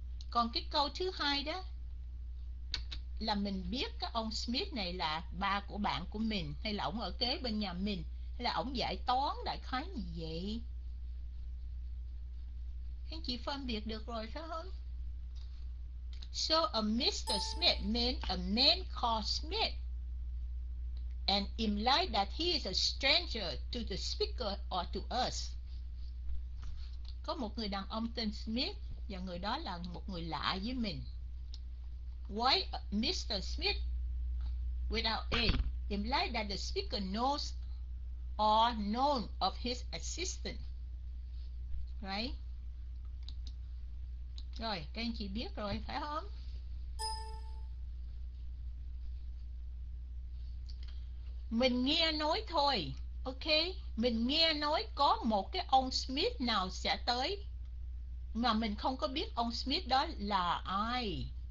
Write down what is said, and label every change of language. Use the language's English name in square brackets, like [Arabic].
[Vietnamese] Còn cái câu thứ hai đó là mình biết cái ông Smith này là ba của bạn của mình, hay là ổng ở kế bên nhà mình, hay là ổng dạy toán đại khái như vậy. Anh chị phân biệt được rồi phải không? [English] So a Mr. Smith meant a man called Smith, and implied that he is a stranger to the speaker or to us. [Vietnamese] Có một người đàn ông tên Smith, và người đó là một người lạ với mình. [English] Why Mr. Smith without A implied that the speaker knows or known of his existence. Right? [Vietnamese] Rồi, các anh chị biết rồi, phải không? Mình nghe nói thôi, ok? Mình nghe nói có một cái ông Smith nào sẽ tới, mà mình không có biết ông Smith đó là ai.